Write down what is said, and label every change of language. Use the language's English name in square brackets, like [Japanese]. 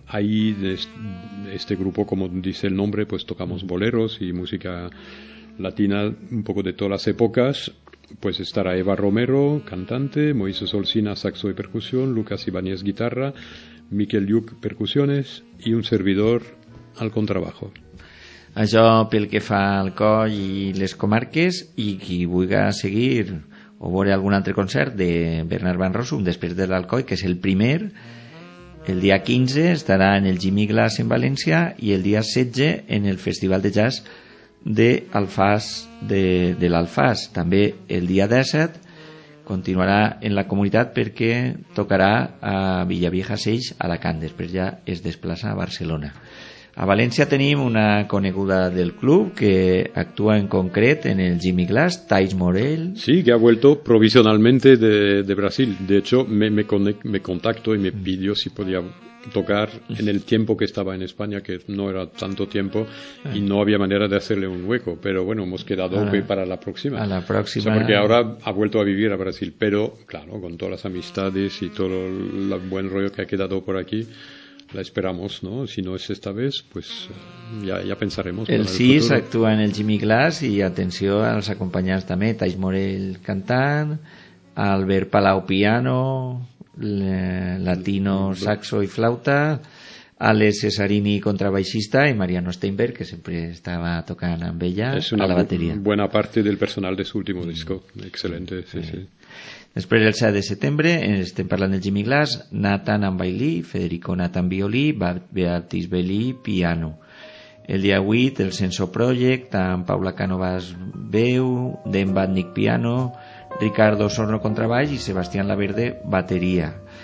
[Spanish] Ahí este grupo, como dice el nombre, pues tocamos boleros y música latina un poco de todas las épocas. Pues estará Eva Romero, cantante, Moisés Olcina, saxo y percusión, Lucas Ibáñez, guitarra, Miquel Lluc, percussiones, [Catalan] i un servidor [Spanish] al contrabajo. [Catalan] Això pel que fa al Coll i les comarques, i qui vulgui seguir o veure algun altre concert de Bernard Van Rossum després de l'Alcoi, que és el primer, el dia 15 estarà en el Jimmy Glass en València i el dia 16 en el Festival de Jazz d'Alfàs, de l'Alfàs. També el dia 17 continuarà en la comunitat perquè tocarà a Villavieja 6, Alacant. Després ja es desplaça a Barcelona. A València tenim una coneguda del club que actua en concret en el Jimmy Glass, Thais Morell. [Spanish] Sí, que ha vuelto provisionalmente de Brasil. De hecho, me contactó y me pidió si podía tocar en el tiempo que estaba en España, que no era tanto tiempo, y no había manera de hacerle un hueco, pero bueno, hemos quedado para la próxima. A la próxima. O sea, porque ahora ha vuelto a vivir a Brasil, pero claro, con todas las amistades y todo el buen rollo que ha quedado por aquí, la esperamos, ¿no? Si no es esta vez, pues ya pensaremos. El SIS actúa en el Jimmy Glass, y atención a los acompañantes también: Thais Morell cantant, Albert Palau piano, latino saxo y flauta, Ale Cesarini contrabaixista y Mariano Steinberg, que siempre estaba tocando [Catalan] amb ella, [Spanish] es una a la batería. Buena parte del personal de su último disco. Excelente, [Catalan] Després el 7 de setembre estem parlant del Jimmy Glass, Nathan amb bailí, Federico Nathan violí, Beatriz Belli piano. El dia 8 el Senso Project amb Paula Canovas veu, Dan Badnik piano, Ricardo Sorno contrabaix i Sebastián Laverde bateria.